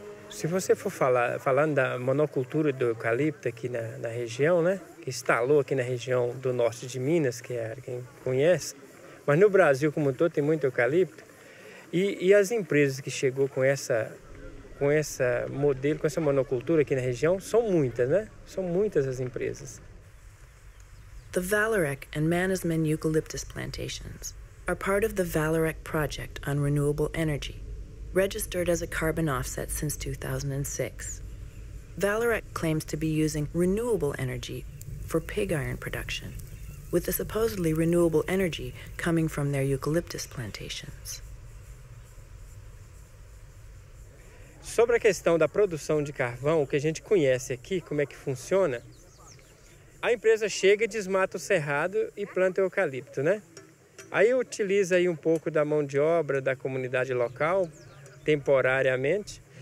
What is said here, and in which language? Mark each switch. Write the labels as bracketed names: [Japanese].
[Portuguese] Se você for falando da monocultura do eucalipto aqui na região, né, que instalou aqui na região do norte de Minas, que é quem conhece, mas no Brasil como um todo tem muito eucalipto, e as empresas que chegou com essa modelo, com essa monocultura aqui na região, são muitas, né? São muitas as empresas. [English] The Vallourec and Manasman eucalyptus plantations are part of the Vallourec project on renewable energy, registered as a carbon offset since 2006. Vallourec claims to be using renewable energy for pig iron production, with the supposedly renewable energy coming from their eucalyptus plantations. [Portuguese] Sobre a questão da produção de carvão, o que a gente conhece aqui, como é que funciona, a empresa chega, desmata o cerrado e planta eucalipto, né? Aí utiliza aí um pouco da mão de obra da comunidade local, temporariamente.